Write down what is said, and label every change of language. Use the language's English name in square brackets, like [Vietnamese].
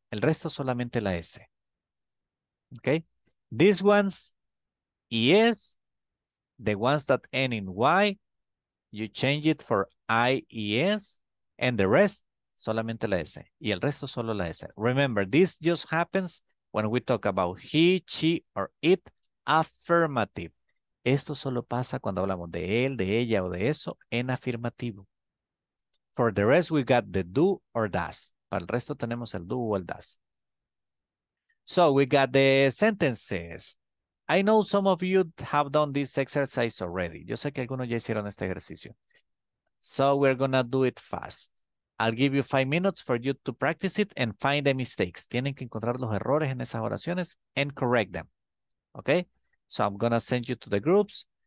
[Spanish] El resto solamente la S. Okay? [English] These ones, [Spanish] ES. [English] The ones that end in Y, you change it for IES. And the rest, [Spanish] solamente la S. Y el resto solo la S. [English] Remember, this just happens when we talk about he, she, or it, affirmative. [Spanish] Esto solo pasa cuando hablamos de él, de ella, o de eso, en afirmativo. [English] For the rest, we got the do or does. [Spanish] Para el resto tenemos el do o el does. [English] So, we got the sentences. I know some of you have done this exercise already. Yo sé que algunos ya hicieron este ejercicio. So, we're gonna do it fast. I'll give you 5 minutes for you to practice it and find the mistakes. [Spanish] Tienen que encontrar los errores en esas oraciones [English] and correct them. [Spanish] Okay? [English] So I'm gonna send you to the groups.